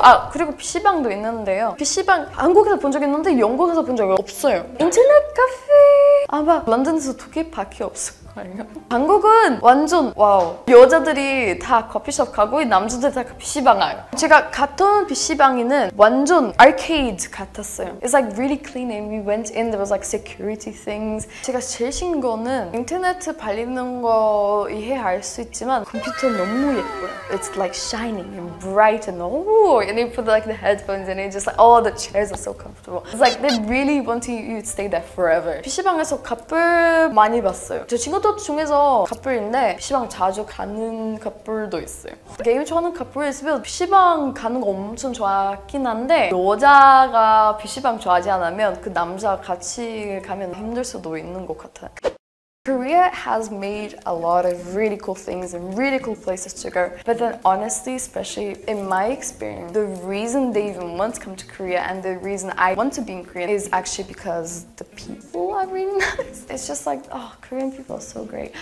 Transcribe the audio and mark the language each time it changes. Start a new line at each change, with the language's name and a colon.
Korean: 아 그리고 PC방도 있는데요. PC방 한국에서 본 적 있는데 영국에서 본 적이 없어요. 인터넷 카페 아마 런던에서 두 개밖에 없을 거예요. 한국은 완전 와우. 여자들이 다 커피숍 가고 남자들 다 PC방 가요. 제가 갔던 PC방에는 완전 아케이드 같았어요.
English: It's like really clean and we went in there was like security things.
Korean: 제가 제일 신기한 거는 인터넷 발리는 거 이해할 수 있지만 컴퓨터 너무 예뻐요.
English: It's like shining and bright and oh and you put like the headphones and it's just like oh the chairs are so comfortable. It's like they really want you to stay there forever.
Korean: PC방에서 커플 많이 봤어요. 저 친구들 중에서 커플인데 PC방 자주 가는 커플도 있어요. 게임 좋아하는 커플 있으면 PC방 가는 거 엄청 좋긴 한데 여자가 PC방 좋아하지 않으면 그 남자 같이 가면 힘들 수도 있는 것 같아요.
English: Korea has made a lot of really cool things and really cool places to go. But then honestly, especially in my experience, the reason they even want to come to Korea and the reason I want to be in Korea is actually because the people are really nice. It's just like, oh, Korean people are so great.